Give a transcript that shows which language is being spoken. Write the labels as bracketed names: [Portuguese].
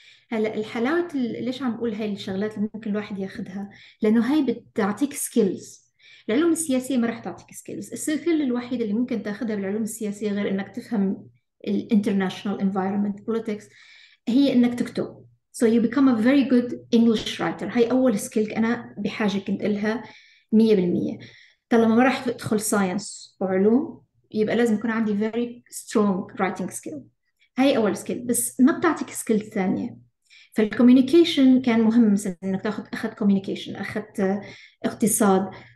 [Arabic] هلا الحلاوة ليش عم أقول هاي الشغلات اللي ممكن الواحد ياخذها؟ لأنه هاي بتعطيك سكيلز، العلوم السياسية ما راح تعطيك سكيلز، السكيل الوحيد اللي ممكن تاخذها بالعلوم السياسية غير انك تفهم الـ [English] international environment politics [Arabic] هي انك تكتب. [English] So you become a very good English writer. [Arabic] هاي أول سكيل أنا بحاجة كنت إلها 100%. طالما ما راح تدخل ساينس وعلوم يبقى لازم يكون عندي [English] very strong writing skill. [Arabic] هاي أول سكيل، بس ما بتعطيك سكيل ثانية. فالكوميونيكيشن كان مهم، مثلا انك تاخذ، اخذت كوميونيكيشن، اخذت اقتصاد.